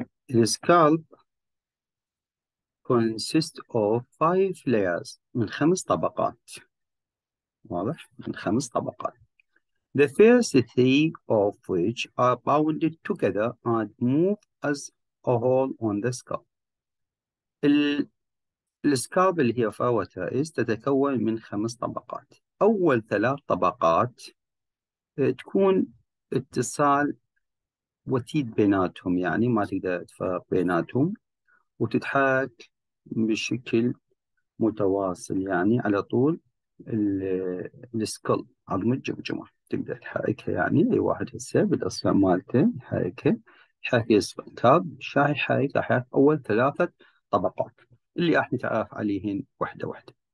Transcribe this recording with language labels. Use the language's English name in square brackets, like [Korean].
[Arabic] السكالب [English] consist of five layers، [Arabic] من خمس طبقات، واضح؟ من خمس طبقات. [English] The first three of which are bounded together and move as a whole on the scalp. [Arabic] السكالب اللي هي فروة الرئيس تتكون من خمس طبقات. أول ثلاث طبقات تكون اتصال وتيد بيناتهم، يعني ما تقدر تفرق بيناتهم، وتتحرك بشكل متواصل، يعني على طول السكول عظم الجمجمة تقدر تحركها، يعني أي واحد هسه بالأصابع مالته يحركها، يحرك السكول شاي حرك راح يحرك أول ثلاثة طبقات اللي راح نتعرف عليهن واحدة واحدة.